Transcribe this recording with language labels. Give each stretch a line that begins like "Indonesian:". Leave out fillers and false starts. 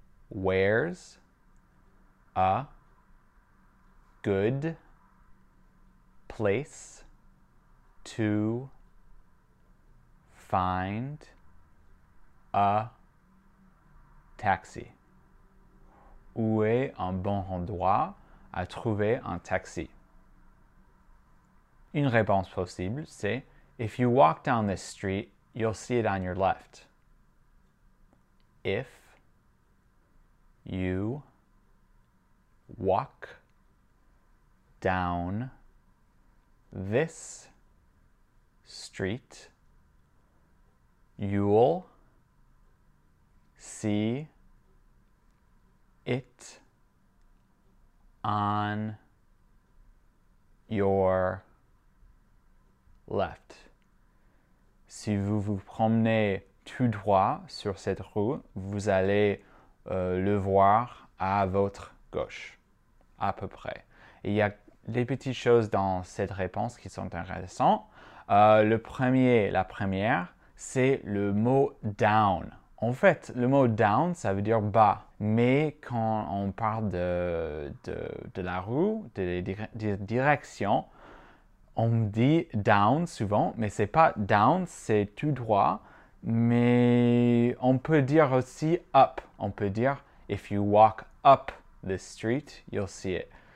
English: Where's a good place to find a taxi?
French: Où est un bon endroit à trouver un taxi? Une réponse possible, c'est:
English: If you walk down this street, you'll see it on your left. If you walk down this street, you'll see it on your left.
French: Si vous vous promenez tout droit sur cette roue, vous allez le voir à votre gauche, à peu près. Et il y a des petites choses dans cette réponse qui sont intéressantes. La première, c'est le mot down. En fait, le mot down, ça veut dire bas. Mais quand on parle de la roue, de direction, on dit down souvent, mais c'est pas down, c'est tout droit. Mais on peut dire aussi up. On peut dire
English: if you walk up the street, you'll see it.